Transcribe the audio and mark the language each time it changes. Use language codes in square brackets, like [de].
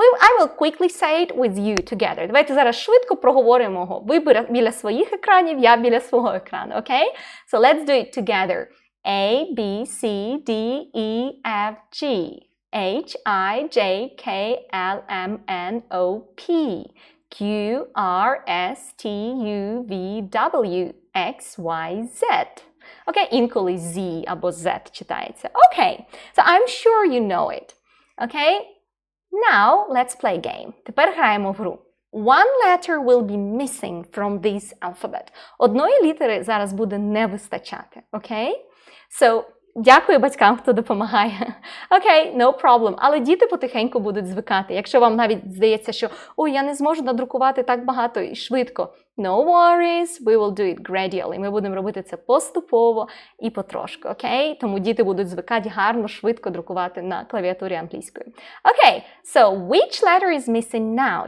[en] I will quickly say it with you together. [uk] Давайте зараз швидко проговоримо його. Ви біля своїх екранів, я біля свого екрану, okay? [en] So let's do it together. A, B, C, D, E, F, G. H, I, J, K, L, M, N, O, P. Q, R, S, T, U, V, W, X, Y, Z. [uk] Okay, інколи Z або Z читається. [en] Okay, so I'm sure you know it. Okay, now let's play a game. [uk] Тепер граємо в гру. [en] One letter will be missing from this alphabet. [uk] Одної літери зараз буде не вистачати. [en] Okay? [uk] So, дякую батькам, хто допомагає. [en] Окей, no problem. [uk] Але діти потихеньку будуть звикати. Якщо вам навіть здається, що ой, я не зможу надрукувати так багато і швидко. [en] No worries, we will do it gradually. [uk] Ми будемо робити це поступово і потрошку, окей? Тому діти будуть звикати гарно, швидко друкувати на клавіатурі англійської. [en] Окей, so which letter is missing now?